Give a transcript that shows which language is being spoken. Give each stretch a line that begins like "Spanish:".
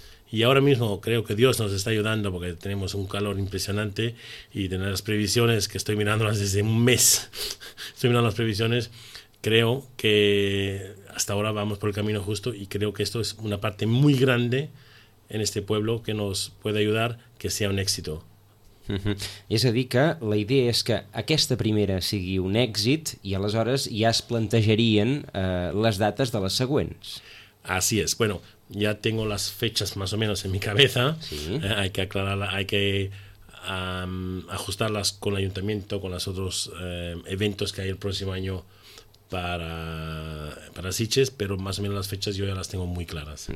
Spanish: Y ahora mismo creo que Dios nos está ayudando porque tenemos un calor impresionante y tener las previsiones, que estoy mirándolas desde un mes, estoy mirando las previsiones, creo que hasta ahora vamos por el camino justo y creo que esto es una parte muy grande en este pueblo que nos puede ayudar que sea un éxito. Uh-huh.
Catalan: És a dir, que la idea és que aquesta primera sigui un èxit i aleshores ja es plantejarien les dates de les següents.
Spanish: Así es. Bueno, ya tengo las fechas más o menos en mi cabeza. Sí. Hay que aclararla, hay que ajustarlas con el ayuntamiento, con los otros eventos que hay el próximo año para Sitges, pero más o menos las fechas yo ya las tengo muy claras.